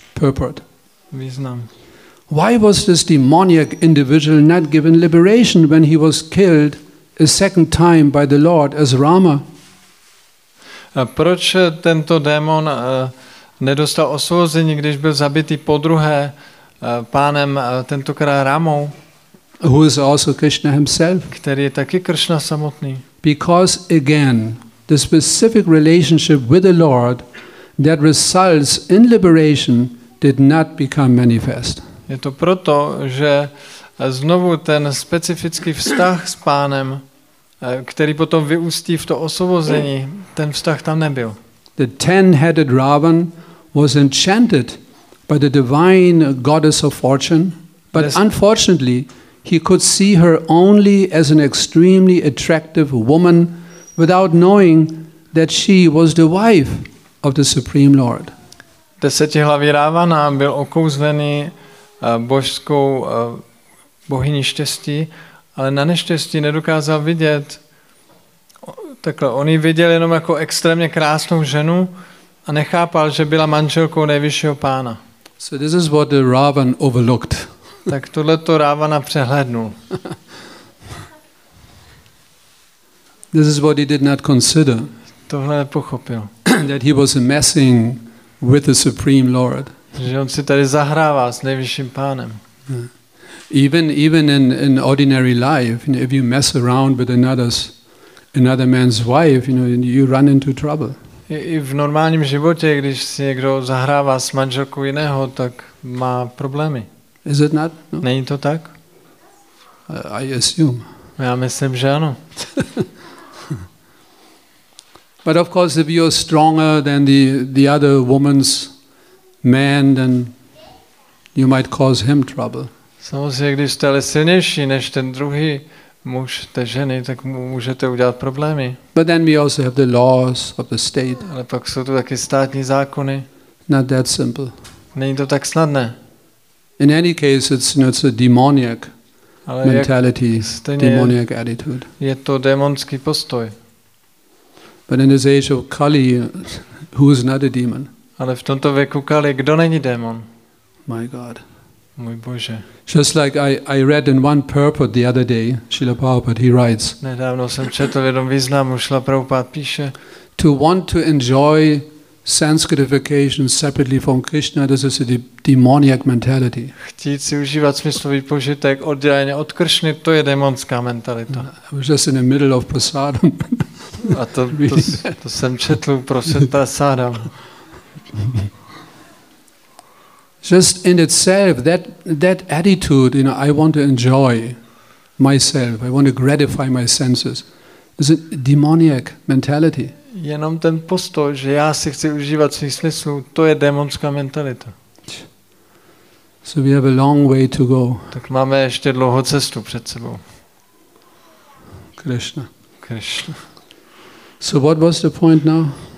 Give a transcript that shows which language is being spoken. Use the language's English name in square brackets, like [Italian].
[English] Purport. [Czech] Význam. [English] Why was this demoniac individual not given liberation when he was killed a second time by the Lord as Rama? [Czech] A proč tento démon nedostal osvobození, když byl zabitý po druhé pánem tentokrát Ramou? [English] Who is also Krishna himself? [Czech] Který je taky Kršna samotný. [English] Because again, the specific relationship with the Lord that results in liberation did not become manifest. [Czech] Je to proto, že znovu ten specifický vztah s pánem, který potom vyústí v to osvobození, ten vztah tam nebyl. [English] The ten-headed Ravan was enchanted by the divine goddess of fortune, but unfortunately, he could see her only as an extremely attractive woman without knowing that she was the wife of the Supreme Lord. [Czech] Desetihlavý Ravana byl okouzlený božskou bohyní štěstí, ale na neštěstí nedokázal vidět. Takhle, on ji viděl jenom jako extrémně krásnou ženu a nechápal, že byla manželkou nejvyššího pána. [English] So this is what the Ravan overlooked. [Czech] Tak tohle to Ravana přehlédnul. [English] This is what he did not consider. [Czech] Tohle nepochopil. [English] That he was messing with the Supreme Lord. [Czech] Že on si tady zahrává s nejvyšším pánem. [English] Even in ordinary life, you know, if you mess around with another man's wife, you know, you run into trouble. [Czech] I v normálním životě, když si někdo zahrává s manželkou jiného, tak má problémy. [English] Is it not? [Czech] No. Není to tak? [English] I assume. [Czech] Já myslím, že ano. [English] But of course, if you are stronger than the other woman's man, then you might cause him trouble. [Czech] Samozřejmě, když jste ale silnější než ten druhý muž té ženy, tak mu můžete udělat problémy. [English] But then we also have the laws of the state. [Czech] Ale pak jsou tu taky státní zákony. [English] Not that simple. [Czech] Není to tak snadné. [English] In any case, it's, you know, it's a demoniac ale mentality, demoniac attitude. [Czech] Je to démonský postoj. [English] But in this age of Kali, who is not a demon? [Czech] Ale v tomto věku Kali, kdo není démon? [English] My God. [Czech] Můj Bože. [English] Just like I read in one purport the other day, Srila Prabhupada, he writes. [Czech] Nedávno jsem četl v jednom významu, Srila Prabhupada píše. [English] To want to enjoy sense gratification separately from Krishna, this is a demoniac mentality. [Czech] Chtít si užívat smyslový požitek odděleně od Kršny, to je démonská mentalita. [English] I was just in the middle of prasadam. [Czech] A to jsem četl prosím prasadam. [English] Just in itself, that attitude, you know, I want to enjoy myself, I want to gratify my senses, is a demoniac mentality. [Czech] Jenom ten postoj, že já si chci užívat svých smyslů, to je démonská mentalita. [English] So we have a long way to go. [Czech] Tak máme ještě dlouhou cestu před sebou. [English] Krishna. So what was the point now?